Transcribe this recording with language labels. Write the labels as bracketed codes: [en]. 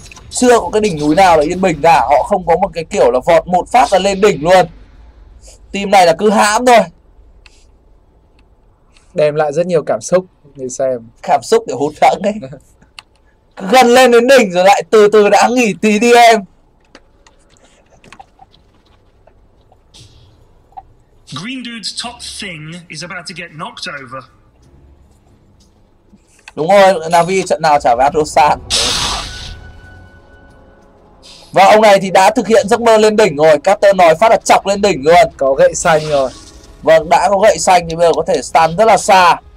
[vi] Chưa có cái đỉnh núi nào là yên bình cả, họ không có một cái kiểu là vọt một phát là lên đỉnh luôn. Team này là cứ hãm thôi. Đem lại rất nhiều cảm xúc, để xem. Cảm xúc để hụt hẫng ấy. Gần lên đến đỉnh rồi lại từ từ đã nghỉ tí đi em. [en] Green dude's top thing is about to get knocked over. [vi] Đúng rồi, Na'Vi trận nào trả về Adrosan. Và ông này thì đã thực hiện giấc mơ lên đỉnh rồi. Carter nói phát là chọc lên đỉnh luôn. Có gậy xanh rồi. Vâng, đã có gậy xanh thì bây giờ có thể stun rất là xa.